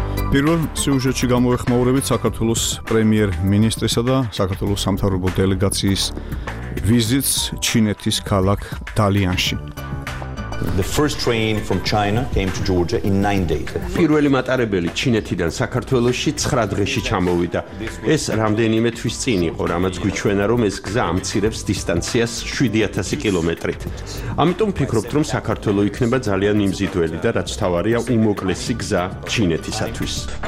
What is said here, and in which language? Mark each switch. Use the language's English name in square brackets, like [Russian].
[Georgian] პირველ სიუჟეტში გამოეხმაურებით საქართველოს პრემიერ-მინისტრისა და საქართველოს სამთავრობო დელეგაციის ვიზიტს ჩინეთის ქალაქ დალიანში. [English] The first train from China came to Georgia in 9 days. [Georgian] პირველი მატარებელი ჩინეთიდან საქართველოში 9 დღეში ჩამოვიდა. ეს რამდენიმე თვის წინ იყო, რამაც გვიჩვენა, რომ ეს გზა ამცირებს დისტანციას 7000 კილომეტრით. ამიტომ ფიქრობთ, რომ საქართველო იქნება ძალიან იმზიდველი და რაც თავარია, უმოკლესი გზა ჩინეთისათვის.